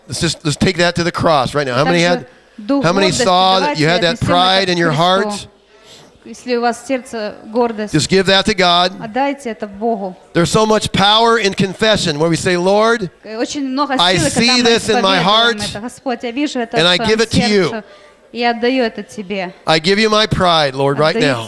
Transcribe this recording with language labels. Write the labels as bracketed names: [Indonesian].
[English] Let's take that to the cross right now. How many had? How many saw that you had that pride in your heart? [Russian] Если у вас сердце гордость, [English] just give that to God. [Russian] Отдайте это Богу. [English] There's so much power in confession where we say, Lord, I see this in my heart, and I give it to you. I give you my pride, Lord, right now.